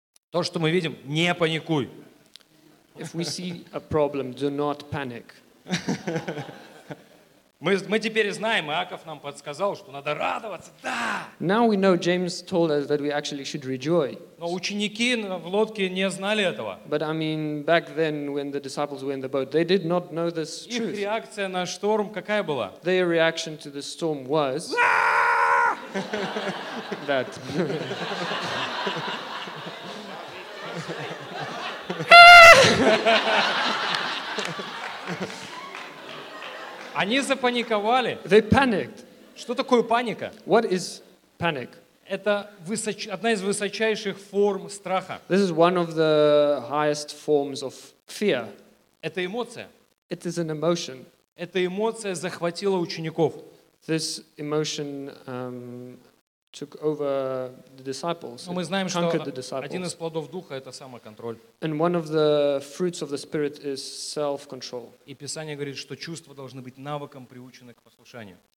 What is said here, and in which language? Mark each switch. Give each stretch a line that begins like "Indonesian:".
Russian: то, что мы видим, не паникуй.
English: If we see a problem, do not panic.
Russian: Мы теперь знаем, Иаков нам подсказал, что надо радоваться. Да.
English: Now we know James told us that we actually should rejoice.
Russian: Но ученики в лодке не знали этого.
English: But I mean, back then when the disciples were in the boat, they did not know this truth.
Russian: Их реакция на шторм какая была?
English: Their reaction to the storm was that.
Russian: Они запаниковали.
English: They panicked.
Russian: Что такое паника?
English: What is panic?
Russian: Это одна из высочайших форм страха.
English: This is one of the highest forms of fear.
Russian: Это эмоция.
English: It is an emotion.
Russian: Эта эмоция захватила учеников.
English: This emotion took over the disciples.
Russian: Но мы знаем, что один из плодов духа — это самоконтроль.
English: And one of the fruits of the spirit is self-control.
Russian: И Писание говорит, что чувства должны быть навыком, приученных к послушанию.